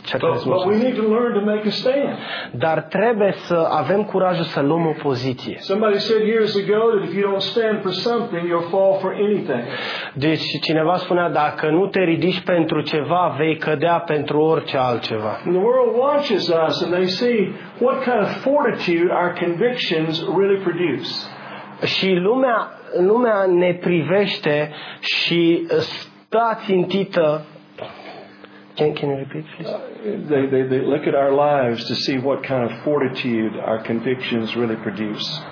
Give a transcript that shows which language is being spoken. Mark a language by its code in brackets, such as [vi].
[en] But we need to learn to make a stand. [ro] Dar trebuie să avem curajul să luăm o poziție. [en] Somebody said years ago that if you don't stand for something, you'll fall for anything. [ro] Deci cineva spunea, dacă nu te ridici pentru ceva, vei cădea pentru orice altceva. [en] The world watches us and they see what kind of fortitude our convictions really produce. [ro] Și lumea ne privește și stă țintită. [en] Can you repeat, please? They look at our lives to see what kind of fortitude our convictions really produce.